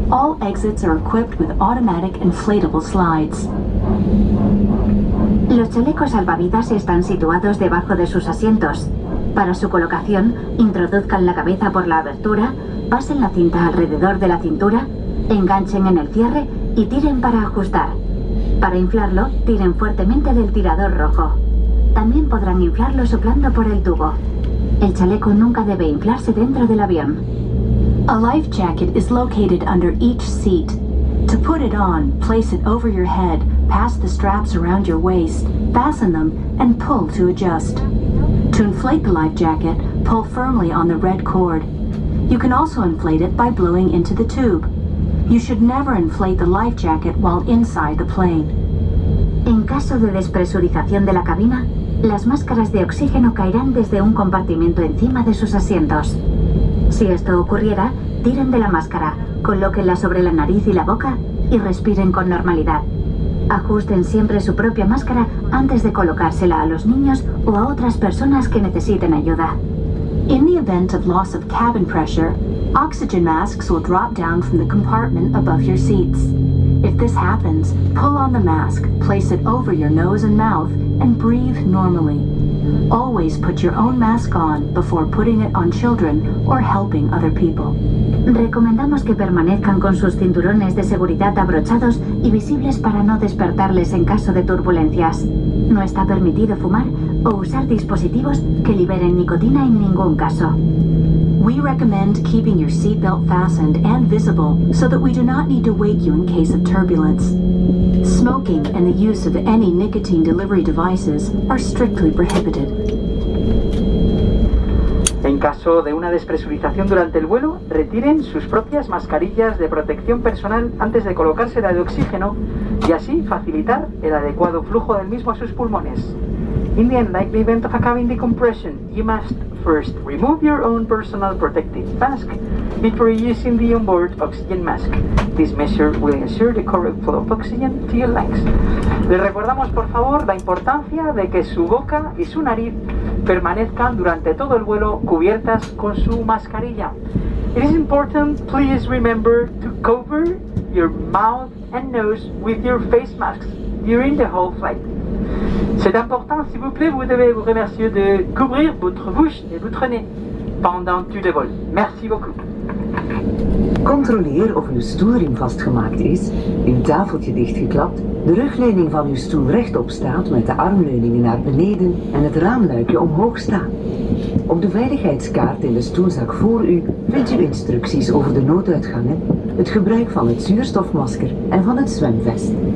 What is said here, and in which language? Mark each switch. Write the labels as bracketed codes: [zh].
[en] All exits are equipped with automatic inflatable slides. [es] Los chalecos salvavidas están situados debajo de sus asientos. Para su colocación, introduzcan la cabeza por la abertura, pasen la cinta alrededor de la cintura, enganchen en el cierre y tiren para ajustar. Para inflarlo, tiren fuertemente del tirador rojo. También podrán inflarlo soplando por el tubo. El chaleco nunca debe inflarse dentro del avión. [en] A life jacket is located under each seat. To put it on, place it over your head, pass the straps around your waist, fasten them, and pull to adjust. To inflate the life jacket, pull firmly on the red cord. You can also inflate it by blowing into the tube. You should never inflate the life jacket while inside the plane. [es] En caso de despresurización de la cabina, las máscaras de oxígeno caerán desde un compartimento encima de sus asientos. Si esto ocurriera, tiren de la máscara, colóquenla sobre la nariz y la boca y respiren con normalidad. Ajusten siempre su propia máscara antes de colocársela a los niños o a otras personas que necesiten ayuda. [en] In the event of loss of cabin pressure, oxygen masks will drop down from the compartment above your seats. If this happens, pull on the mask, place it over your nose and mouth, and breathe normally. Always put your own mask on before putting it on children or helping other people. [es] Recomendamos que permanezcan con sus cinturones de seguridad abrochados y visibles para no despertarles en caso de turbulencias. No está permitido fumar o usar dispositivos que liberen nicotina en ningún caso. [en] We recommend keeping your seatbelt fastened and visible so that we do not need to wake you in case of turbulence. Smoking and the use of any nicotine delivery devices are strictly prohibited. [es] En caso de una despresurización durante el vuelo, retiren sus propias mascarillas de protección personal antes de colocársela de oxígeno y así facilitar el adecuado flujo del mismo a sus pulmones. [en] In the unlikely event of a cabin decompression, you must first remove your own personal protective mask before using the onboard oxygen mask. This measure will ensure the correct flow of oxygen to your lungs. [es] Les recordamos, por favor, la importancia de que su boca y su nariz permanezcan durante todo el vuelo cubiertas con su mascarilla. [en] It is important, please remember to cover your mouth and nose with your face masks during the whole flight. [fr] C'est important, s'il vous plaît, vous devez vous remercier de couvrir votre bouche et votre nez pendant tout le vol. Merci beaucoup. [nl] Controleer of uw stoelriem vastgemaakt is, uw tafeltje dichtgeklapt, de rugleuning van uw stoel rechtop staat met de armleuningen naar beneden en het raamluikje omhoog staan. Op de veiligheidskaart in de stoelzak voor u vindt u instructies over de nooduitgangen, het gebruik van het zuurstofmasker en van het zwemvest.